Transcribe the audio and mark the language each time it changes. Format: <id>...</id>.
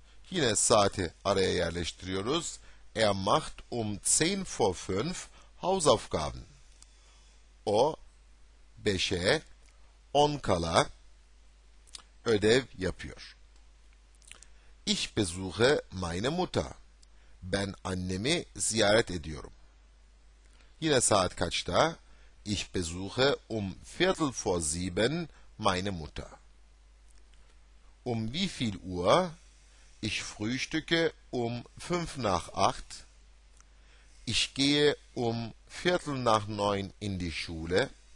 <tr>Yine saati araya yerleştiriyoruz.</tr> <de>Er macht 10 vor 5 Hausaufgaben.</de> <tr>O 5'e 10 kala ödev yapıyor.</tr> <de>Ich besuche meine Mutter.</de> <tr>Ben annemi ziyaret ediyorum. Yine saat kaçta?</tr> <de>Ich besuche viertel vor 7 meine Mutter. Wie viel Uhr? Ich frühstücke 5 nach 8. Ich gehe viertel nach 9 in die Schule.</de>